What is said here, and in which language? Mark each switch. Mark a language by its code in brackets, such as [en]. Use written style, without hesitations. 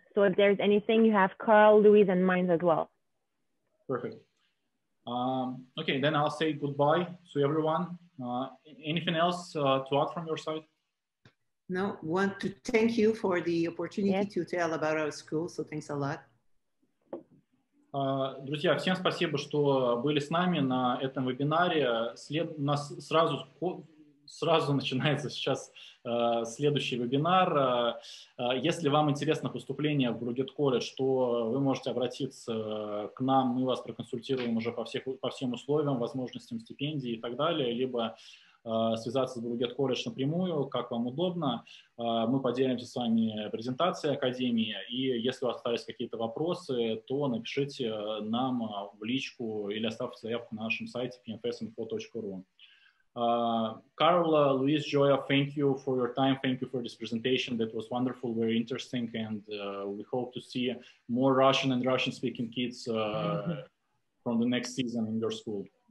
[en] So if there's anything, you have Carl, Luis, and mine as well. Perfect. Okay, then I'll say goodbye to everyone. Anything else to add from your side? No, want to thank you for the opportunity to tell about our school, so thanks a lot. [ru] Друзья, всем спасибо, что были с нами на этом вебинаре. У нас сразу начинается сейчас следующий вебинар. Если вам интересно поступление в Бругет Колледж, то вы можете обратиться к нам, мы вас проконсультируем уже по всем условиям, возможностям стипендии и так далее, либо связаться с Бругет Колледж напрямую, как вам удобно. Мы поделимся с вами презентацией Академии, и если у вас остались какие-то вопросы, то напишите нам в личку или оставьте заявку на нашем сайте pnfsinfo.ru. [en] Carla, Luis, Joya, thank you for your time. Thank you for this presentation. That was wonderful, very interesting, and we hope to see more Russian and Russian-speaking kids from the next season in your school.